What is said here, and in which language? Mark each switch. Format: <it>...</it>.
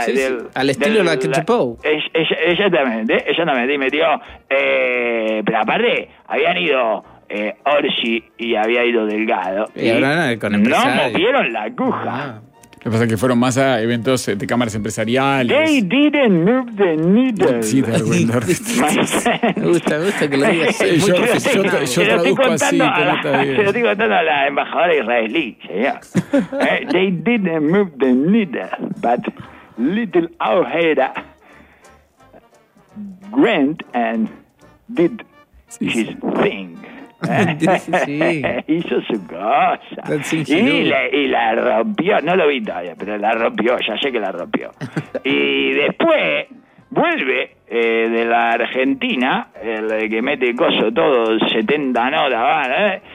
<es>Sí, del, sí. Al estilo de la Ketchupo. Exactamente, y metió... pero aparte, habían ido... Orsi y había ido Delgado. Y ahora con empresarios. No movieron la aguja. Ah. Lo que pasa es que fueron más a eventos de cámaras empresariales.</es> <en>They didn't move the needle.</en> <es>Sí, Darwin. Me gusta que lo digas. Yo traduzco así. Se lo estoy contando a la embajadora israelí, señor.</es> <en>They didn't move the needle, but little Ojeda went and did his thing.</en> <es>Sí. Hizo su cosa y la rompió, no lo vi todavía, pero la rompió, ya sé que la rompió. Y después vuelve de la Argentina, el que mete coso todo, 70 notas, ¿vale?</es>